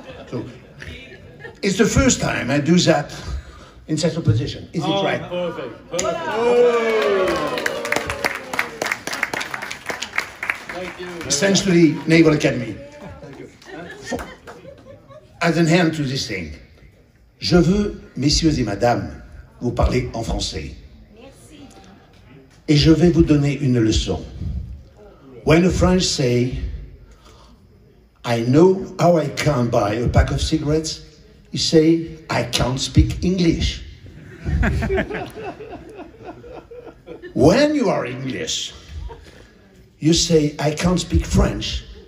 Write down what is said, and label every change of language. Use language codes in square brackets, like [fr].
[en] So, it's the first time I do that in such a position. Is it right? Perfect. Perfect. Essentially, Naval Academy. As an end to this thing, [fr] je veux, messieurs et madame, vous parler en français. Et je vais vous donner une leçon. [en] When the French say, I know how I can buy a pack of cigarettes, you say, I can't speak English. When you are English, you say, I can't speak French.